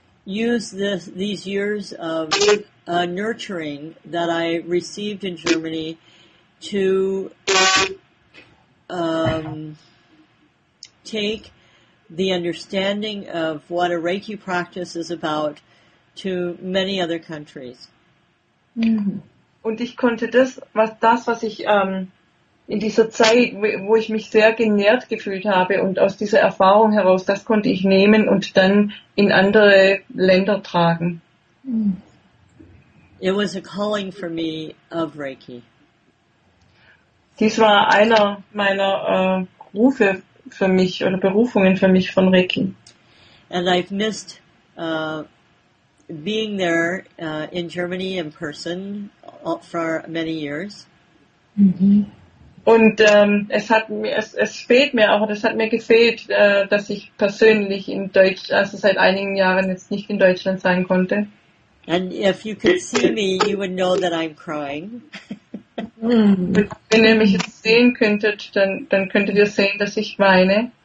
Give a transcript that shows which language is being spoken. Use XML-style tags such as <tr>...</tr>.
<en>use these years of nurturing that I received in Germany to take the understanding of what a Reiki practice is about to many other countries. Mm-hmm.</en> <de>Und ich konnte das, was ich in dieser Zeit, wo ich mich sehr genährt gefühlt habe und aus dieser Erfahrung heraus, das konnte ich nehmen und dann in andere Länder tragen.</de> <en>It was a calling for me of Reiki.</en> <de>Dies war einer meiner Rufe für mich oder Berufungen für mich von Reiki.</de> <en>And I've missed being there in Germany in person for many years. Mm-hmm.</en> <de>Und es hat mir gefehlt, dass ich persönlich in Deutsch, also seit einigen Jahren jetzt nicht in Deutschland sein konnte.</de> <en>And if you could see me, you would know that I'm crying.</en> <de>Wenn ihr mich jetzt sehen könntet, dann könntet ihr sehen, dass ich weine.</de>